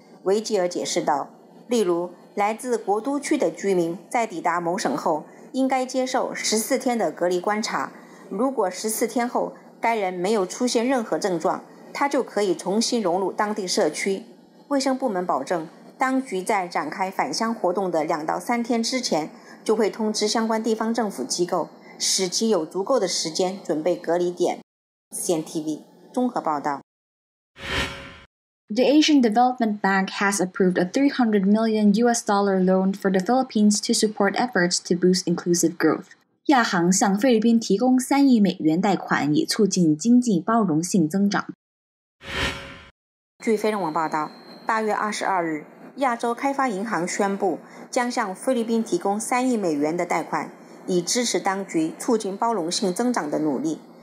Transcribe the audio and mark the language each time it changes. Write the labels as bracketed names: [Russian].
[Chinese] 维吉尔解释道，例如来自国都区的居民在抵达某省后应该接受14天的隔离观察，如果14天后该人没有出现任何症状，他就可以重新融入当地社区。卫生部门保证，当局在展开返乡活动的两到三天之前就会通知相关地方政府机构，使其有足够的时间准备隔离点。 CNTV 综合报道。 [English] The Asian Development Bank has approved a $300 million US loan for the Philippines to support efforts to boost inclusive growth. [Chinese] 亚航向菲律宾提供3亿美元贷款，以促进经济包容性增长。据菲中网报道，8月22日，亚洲开发银行宣布将向菲律宾提供3亿美元的贷款，以支持当局促进包容性增长的努力。